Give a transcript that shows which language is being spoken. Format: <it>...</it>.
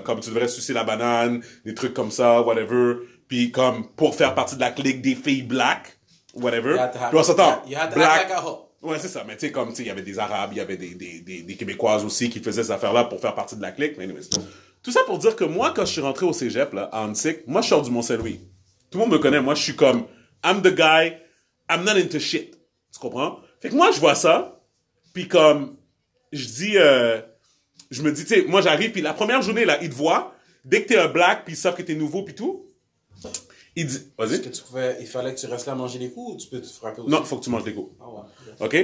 <fr>Comme, tu devrais sucer la banane, des trucs comme ça, whatever. Pis, comme, pour faire partie de la clique des filles black, whatever.</fr> <en>You had to have black. Like a hoe.</en> <fr>Ouais, c'est ça. Mais, tu sais, comme, tu sais, il y avait des Arabes, il y avait des Québécoises aussi qui faisaient ces affaires-là pour faire partie de la clique. Mais, anyways. Tout ça pour dire que moi, quand je suis rentré au cégep, là, à Antique, moi, je sors du Mont-Saint-Louis. Tout le monde me connaît. Moi, je suis comme,</fr> <en>I'm the guy, I'm not into shit.</en> <fr>Tu comprends? Fait que moi, je vois ça, puis comme, je dis, je me dis, tu sais, moi, j'arrive, puis la première journée, là, ils te voient, dès que t'es un black, puis ils savent que t'es nouveau, puis tout, ils disent, vas-y. Est-ce que tu pouvais, il fallait que tu restes là à manger des coups, ou tu peux te frapper aussi? Non, faut que tu manges des coups. Ah ouais.</fr>